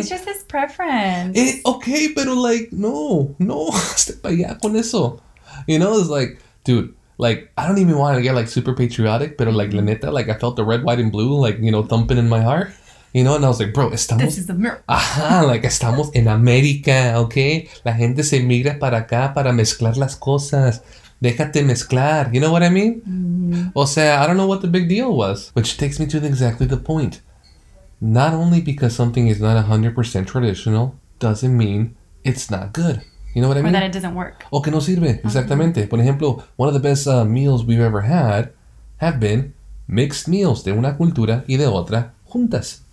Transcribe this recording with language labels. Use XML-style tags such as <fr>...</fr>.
<en>It's just his preference.</en> <es>Okay, pero like, no. Step allá con eso.</es> <en>You know, it's like, dude, like, I don't even want to get like super patriotic, pero like,</en> <es>la neta,</es> <en>like, I felt the red, white, and blue, like, you know, thumping in my heart. You know, and I was like, bro,</en> <es>estamos...</es> <en>This is America.</en> <es>Ajá, like, estamos en América, okay? La gente se migra para acá para mezclar las cosas. Déjate mezclar.</es> <en>You know what I mean? Mm-hmm.</en> <es>O sea,</es> <en>I don't know what the big deal was. Which takes me to exactly the point. Not only because something is not 100% traditional, doesn't mean it's not good. You know what I mean? Or that it doesn't work.</en> <es>O que no sirve.</es> <en>Mm-hmm.</en> <es>Exactamente. Por ejemplo,</es> <en>one of the best meals we've ever had have been mixed meals</en> <es>de una cultura y de otra juntas.</es>